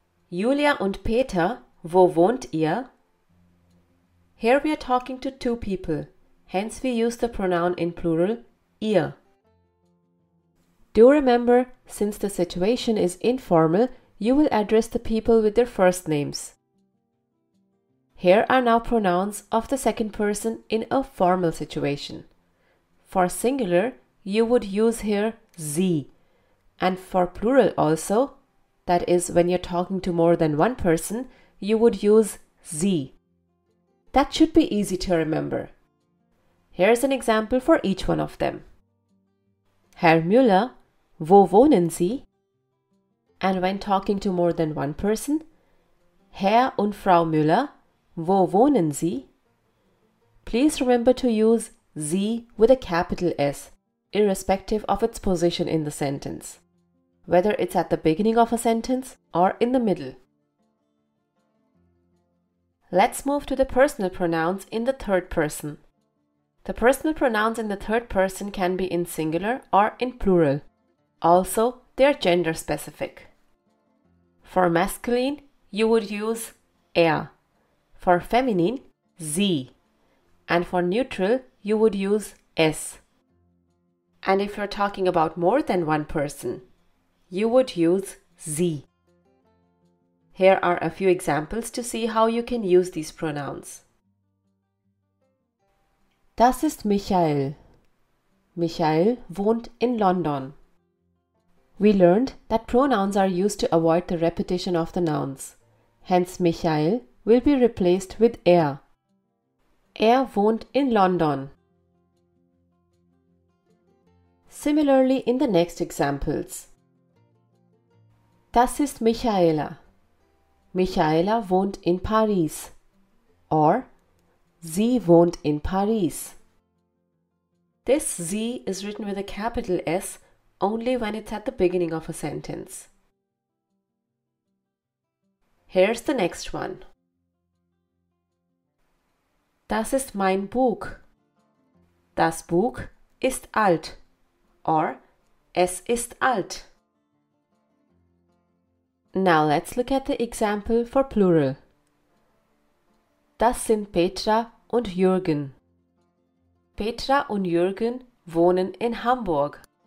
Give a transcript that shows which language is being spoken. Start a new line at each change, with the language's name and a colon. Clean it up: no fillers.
German: Julia und Peter, wo wohnt ihr?
English: Here we are talking to two people. Hence, we use the pronoun in plural, ihr. Do remember, since the situation is informal, you will address the people with their first names. Here are now pronouns of the second person in a formal situation. For singular, you would use here sie. And for plural also, that is when you're talking to more than one person, you would use sie. That should be easy to remember. Here's an example for each one of them.
German: Herr Müller, wo wohnen Sie?
English: And when talking to more than one person,
German: Herr und Frau Müller, wo wohnen Sie?
English: Please remember to use Sie with a capital S, irrespective of its position in the sentence, whether it's at the beginning of a sentence or in the middle. Let's move to the personal pronouns in the third person. The personal pronouns in the third person can be in singular or in plural. Also, they are gender specific. For masculine, you would use er. For feminine, sie. And for neutral, you would use es. And if you're talking about more than one person, you would use sie. Here are a few examples to see how you can use these pronouns.
German: Das ist Michael. Michael wohnt in London.
English: We learned that pronouns are used to avoid the repetition of the nouns. Hence, Michael will be replaced with er.
German: Er wohnt in London.
English: similarly in the next examples.
German: Das ist Michaela. Michaela wohnt in Paris. Or, sie wohnt in Paris.
English: This Z is written with a capital S only when it's at the beginning of a sentence. Here's the next one.
German: Das ist mein Buch. Das Buch ist alt. Or, es ist alt.
English: Now let's look at the example for plural.
German: Das sind Petra und Jürgen. Petra und Jürgen wohnen in Hamburg.